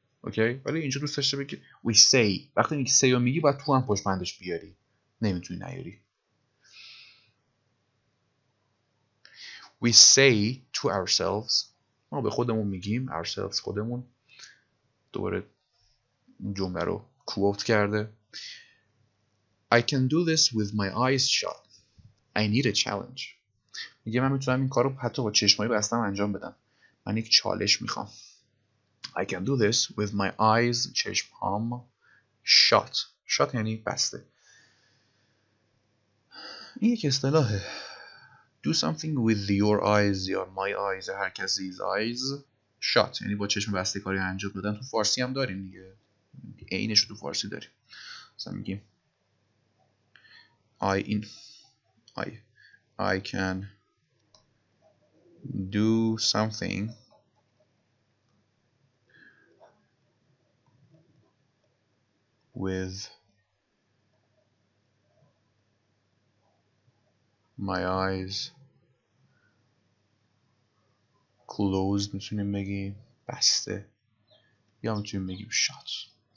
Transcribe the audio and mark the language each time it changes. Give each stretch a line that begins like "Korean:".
Persian: اوکی؟ ولی اینجا دوست داشته بگی
English: we say.
Persian: وقتی میگی say رو میگی باید تو هم پشمندش بیاری، نمیتونی نیاری.
English: We say to ourselves،
Persian: ما به خودمون میگیم، ourselves خودمون، دوباره جمعه رو quote کرده.
English: I can do this with my eyes shut. I need a challenge.
Persian: میگه من میتونم این کارو حتی با چشمایی بستم انجام بدم. من یک چالش میخوام.
English: I can do this with my eyes،
Persian: چشمام
English: shut.
Persian: Shut یعنی بسته. این یک اصطلاحه.
English: Do something with your eyes or my eyes or
Persian: هر کسی's
English: eyes shut.
Persian: یعنی با چشم بسته کاری انجام بدن. تو فارسی هم داریم دیگه. عینش رو تو فارسی داریم.
English: مثلا میگیم I can do something with my eyes closed.
Persian: میتونیم بگیم بسته یا میتونیم بگیم shut.